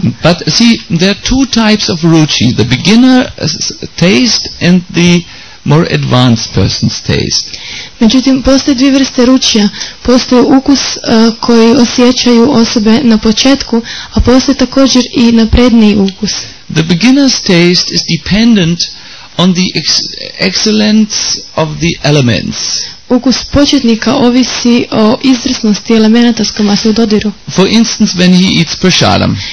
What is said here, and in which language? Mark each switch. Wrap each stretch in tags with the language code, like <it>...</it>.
<en>But see, there are two types of ruchi, the beginner's taste and the more advanced person's taste.</en> <hr>Međutim, postoje dvije vrste ručja. Postoje ukus koji osjećaju osobe na početku, a postoje također i napredniji ukus.</hr> <en>The beginner's taste is dependent on the excellence of the elements.</en> <hr>Ukus početnika ovisi o izvrsnosti elemenata s kojima se u dodiru.</hr> <en>For instance, when he eats prasadam.</en>